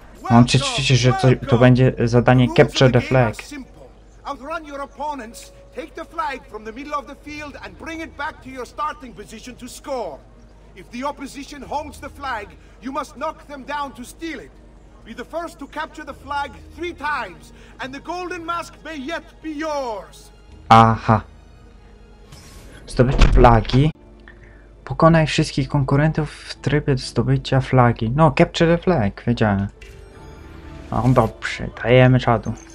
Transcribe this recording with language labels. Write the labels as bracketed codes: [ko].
[pl] Mam przeczucie, że to będzie zadanie Capture the Flag. [en] Outrun your opponents, take the flag from the middle of the field and bring it back to your starting position to score. If the opposition holds the flag, you must knock them down to steal it. Be the first to capture the flag three times, and the golden mask may yet be yours. [pl] Aha. Zdobycie flagi. Pokonaj wszystkich konkurentów w trybie zdobycia flagi. No, [en] capture the flag, [pl] wiedziałem. No dobrze, dajemy czadu.